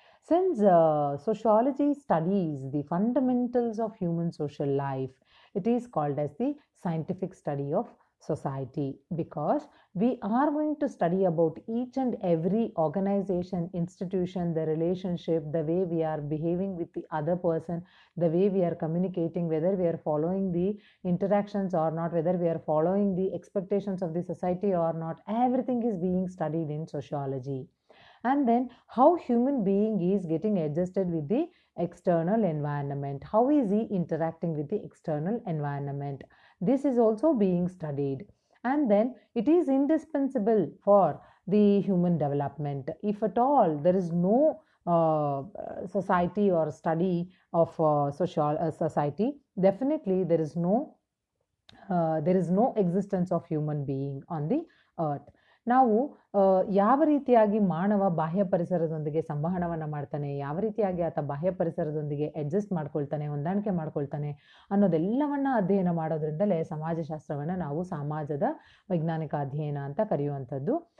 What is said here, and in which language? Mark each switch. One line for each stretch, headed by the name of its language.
English: Since sociology studies the fundamentals of human social life, it is called as the scientific study of society, because we are going to study about each and every organization, institution, the relationship, the way we are behaving with the other person, the way we are communicating, whether we are following the interactions or not, whether we are following the expectations of the society or not, everything is being studied in sociology. And then how human being is getting adjusted with the external environment, how is he interacting with the external environment, this is also being studied. And then it is indispensable for the human development. If at all there is no society or study of society, definitely there is no existence of human being on the earth.
Kannada: ನಾವು ಯಾವ ರೀತಿಯಾಗಿ ಮಾನವ ಬಾಹ್ಯ ಪರಿಸರದೊಂದಿಗೆ ಸಂವಹನವನ್ನು ಮಾಡ್ತಾನೆ, ಯಾವ ರೀತಿಯಾಗಿ ಆತ ಬಾಹ್ಯ ಪರಿಸರದೊಂದಿಗೆ ಅಡ್ಜಸ್ಟ್ ಮಾಡ್ಕೊಳ್ತಾನೆ, ಹೊಂದಾಣಿಕೆ ಮಾಡ್ಕೊಳ್ತಾನೆ ಅನ್ನೋದೆಲ್ಲವನ್ನ ಅಧ್ಯಯನ ಮಾಡೋದ್ರಿಂದಲೇ ಸಮಾಜಶಾಸ್ತ್ರವನ್ನು ನಾವು ಸಮಾಜದ ವೈಜ್ಞಾನಿಕ ಅಧ್ಯಯನ ಅಂತ ಕರೆಯುವಂಥದ್ದು.